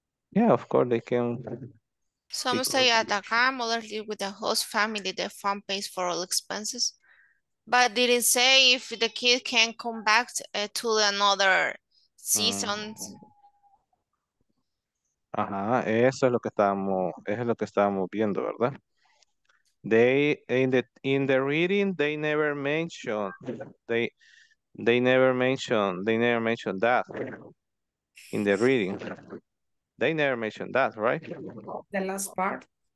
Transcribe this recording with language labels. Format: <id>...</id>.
<en>Yeah, of course they can. Some stay at a home, others live with a host family. The fund pays for all expenses. But didn't say if the kid can come back to another season.</en> <es>Ajá, eso es lo que estábamos, eso es lo que estábamos viendo, ¿verdad?</es> <en>They in the reading they never mentioned that in the reading. They never mentioned that, right? The last part.</en>